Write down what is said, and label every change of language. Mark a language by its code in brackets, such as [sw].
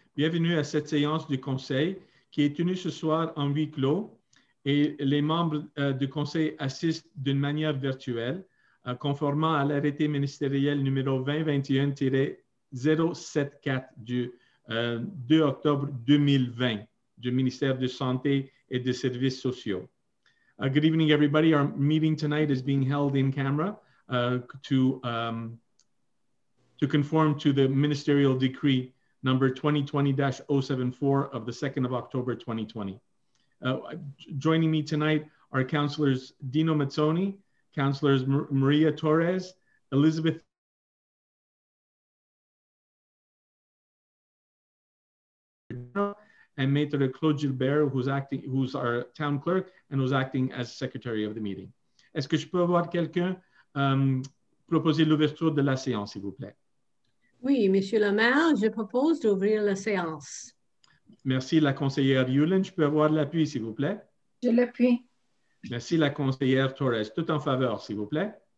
[fr] Bienvenue à cette séance du Conseil qui est tenue ce soir en huis clos et les membres du Conseil assistent d'une manière virtuelle, conformément à l'arrêté ministériel numéro 2021-074 du 2 octobre 2020 du ministère de Santé et des Services sociaux. [en] Good evening, everybody. Our meeting tonight is being held in camera to conform to the ministerial decree number 2020-074 of the 2nd of October, 2020. Joining me tonight are Councillors Dino Mazzoni, Councillors Maria Torres, Elizabeth and Maître Claude Gilbert, who's our town clerk and who's acting as secretary of the meeting. [fr] Est-ce que je peux avoir quelqu'un proposer l'ouverture de la séance, s'il vous plaît? Oui, Monsieur le maire, je propose d'ouvrir la séance. Merci, la conseillère Yulin. Je peux avoir l'appui, s'il vous plaît? Je l'appuie. Merci, la conseillère Torres. Tout en faveur, s'il vous plaît?